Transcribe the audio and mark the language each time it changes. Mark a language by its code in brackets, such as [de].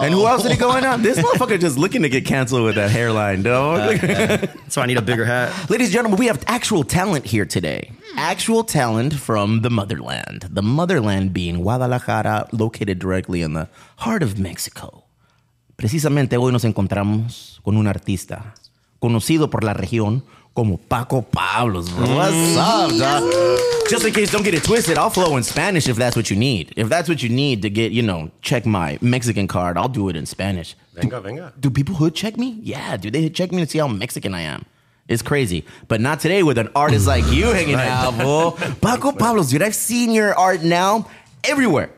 [en] And who else did he go in on? This motherfucker just looking to get canceled with that hairline, dog. So I need a bigger hat. Ladies and gentlemen, we have actual talent here today. Actual talent from the motherland. The motherland being Guadalajara, located directly in the heart of Mexico. [es] Precisamente hoy nos encontramos con un artista conocido por la región como Pako Pablos. [en] What's up, dog? Just in case, don't get it twisted. I'll flow in Spanish if that's what you need. If that's what you need to get, you know, check my Mexican card, I'll do it in Spanish. [es] Venga, venga. [en] Do people hood check me? Yeah, do they check me to see how Mexican I am? It's crazy. But not today with an artist like you hanging out, bro. Pako Pablos, dude, I've seen your art now everywhere.